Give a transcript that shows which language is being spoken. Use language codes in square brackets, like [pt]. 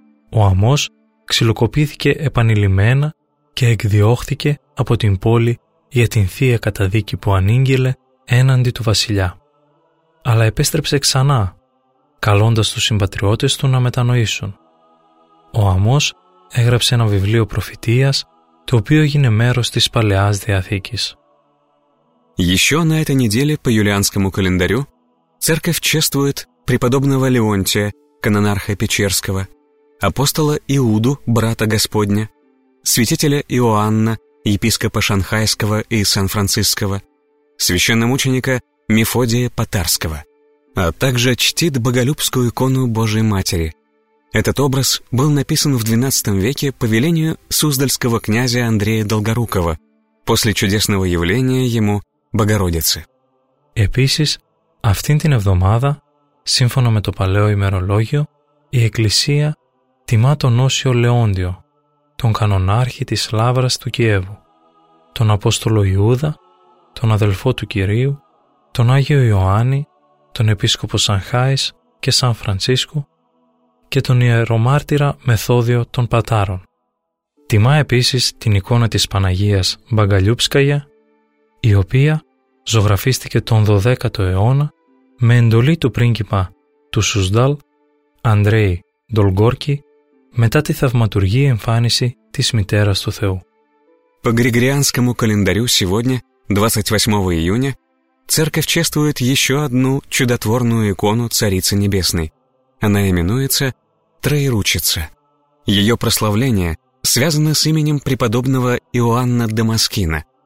[el] Ο Αμός ξυλοκοπήθηκε επανειλημμένα και εκδιώχθηκε από την πόλη για την θεία καταδίκη που ανήγγειλε έναντι του βασιλιά. Αλλά επέστρεψε ξανά, καλώντας τους συμπατριώτες του να μετανοήσουν. Ο Αμός έγραψε ένα βιβλίο προφητείας, το οποίο έγινε μέρος της Παλαιάς Διαθήκης. [ru] Еще на этой неделе по юлианскому календарю церковь чествует преподобного Леонтия, канонарха Печерского, апостола Иуду, брата Господня, святителя Иоанна, епископа Шанхайского и Сан-Франциского, священномученика Мефодия Потарского, а также чтит боголюбскую икону Божией Матери. Этот образ был написан в XII веке по велению суздальского князя Андрея Долгорукова после чудесного явления ему Богородицы. [el] Επίσης, αυτήν την εβδομάδα, σύμφωνα με το παλαιό ημερολόγιο, η Εκκλησία τιμά τον Όσιο Λεόντιο, τον κανονάρχη της Λαύρας του Κιέβου, τον Απόστολο Ιούδα, τον αδελφό του Κυρίου, τον Άγιο Ιωάννη, τον Επίσκοπο Σανχάης και Σαν Φρανσίσκου και τον Ιερομάρτυρα Μεθόδιο των Πατάρων. Τιμά επίσης την εικόνα της Παναγίας Μπαγκαλιούπσκαγια, η οποία ζωγραφίστηκε τον 12ο αιώνα με εντολή του πρίγκιπα του Σουσδάλ, Ανδρέη Ντολγκόρκη, μετά τη θαυματουργή εμφάνιση της Μητέρας του Θεού. [ru] По Григорианскому календарю сегодня, 28 июня, церковь чествует еще одну чудотворную икону Царицы Небесной. Она именуется Троеручица. Ее прославление связана с именем преподобного Иоанна Дамаскина.